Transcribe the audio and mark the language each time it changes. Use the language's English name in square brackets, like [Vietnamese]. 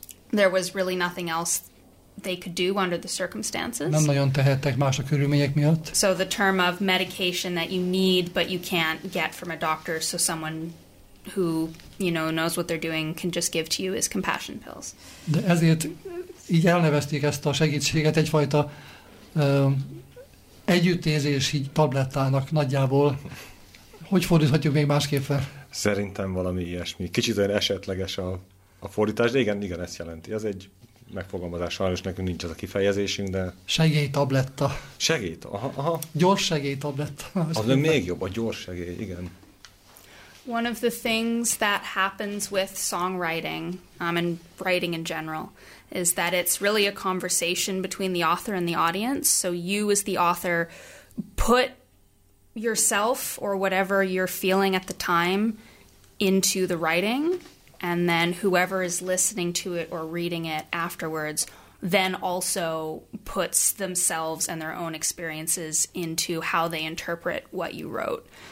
[English] There was really nothing else they could do under the circumstances. [Hungarian] Nem nagyon tehettek más a körülmények miatt. So the term of medication that you need but you can't get from a doctor, so someone who, you know, knows what they're doing can just give to you is compassion pills. De ezért így elnevezték ezt a segítséget egyfajta együttérzési tablettának nagyjából. Hogy fordíthatjuk még másképpen? Szerintem valami ilyesmi. Kicsit olyan esetleges a fordítás, de igen, igen, ezt jelenti. Ez egy megfogalmazás, sajnos nekünk nincs az a kifejezésünk, de... Segélytabletta. Segélyt, aha. Gyors segélytabletta. Az még jobb, a gyors segély, igen. [English] One of the things that happens with songwriting, and writing in general, is that it's really a conversation between the author and the audience. So you as the author put yourself or whatever you're feeling at the time into the writing, and then whoever is listening to it or reading it afterwards then also puts themselves and their own experiences into how they interpret what you wrote.